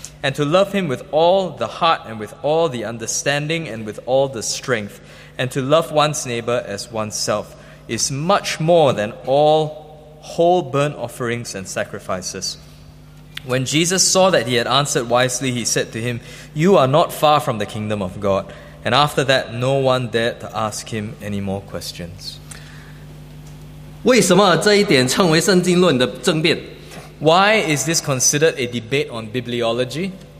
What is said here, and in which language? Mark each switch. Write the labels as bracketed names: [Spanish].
[English] And to love him with all the heart and with all the understanding and with all the strength, and to love one's neighbor as oneself, is much more than all whole burnt offerings and sacrifices. When Jesus saw that he had answered wisely, he said to him, you are not far from the kingdom of God. And after that, no one dared to ask him any more questions. [Chinese] 为什么这一点称为圣经论的争辩? [English] Why is this considered a debate on bibliology?